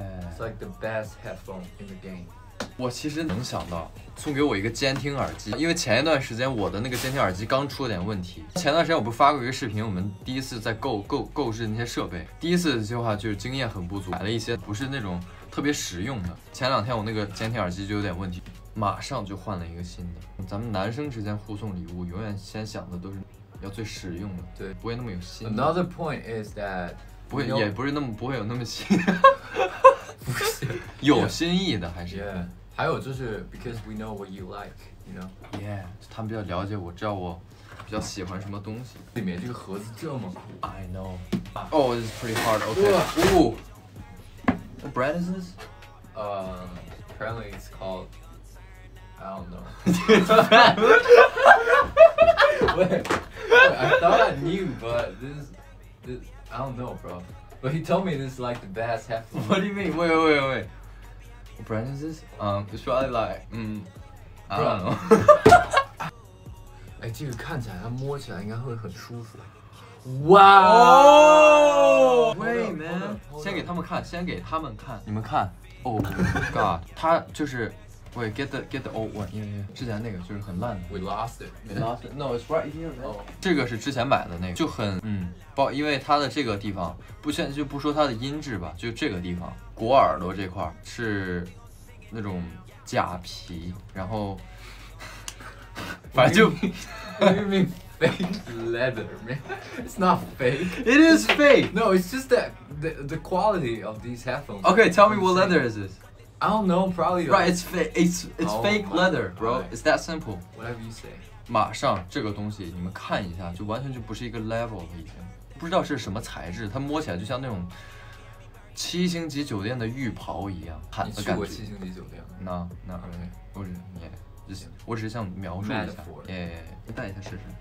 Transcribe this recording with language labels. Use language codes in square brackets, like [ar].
[en] it's like the best headphone in the game. [zh] 我其实能想到送给我一个监听耳机，因为前一段时间我的那个监听耳机刚出了点问题。前段时间我不发过一个视频，我们第一次在购置那些设备，第一次的话就是经验很不足，买了一些不是那种特别实用的。前两天我那个监听耳机就有点问题，马上就换了一个新的。咱们男生之间互送礼物，永远先想的都是要最实用的，对，不会那么有心。 [en] Another point is that [zh] 不会，也不是那么不会有那么心。不是有心意的还是 [en] yeah. Yeah. [zh] 还有就是 [en] because we know what you like you know yeah [zh] 他们比较了解我，知道我比较喜欢什么东西。里面这个盒子这么酷。 [en] I know oh this is pretty hard okay ooh what brand is this apparently it's called I don't know wait I thought I knew, but this, I don't know, bro. But he told me this is like the best headphone. What do you mean? Wait. What brand is this? It's probably like, I don't know. [zh] 哎，这个看起来，它摸起来应该会很舒服。哇、wow! [en] oh!！Wait man， [zh] 先给他们看。你们看 ， [en] Oh God， [zh] 它就是 ， [en] Wait get the old one， [zh] 因为之前那个就是很烂的。 [en] We lost it. No, it's right here, man.、 Oh. [zh] 这个是之前买的那个，就很不，因为它的这个地方，不说它的音质吧，就这个地方，果耳朵这块是那种假皮，然后。反正就 [en] What do you mean fake leather, man? It's not fake. It is fake. No, it's just that the quality of these headphones. Okay, tell me what leather is this. I don't know, probably. Right, it's fake leather, bro. Right. It's that simple. Whatever you say. [zh] 马上这个东西你们看一下，就完全就不是一个 level 了，已经不知道是什么材质，它摸起来就像那种七星级酒店的浴袍一样，你去过七星级酒店吗？那那不是，不是你。我只是想描述一下，你戴一下试试。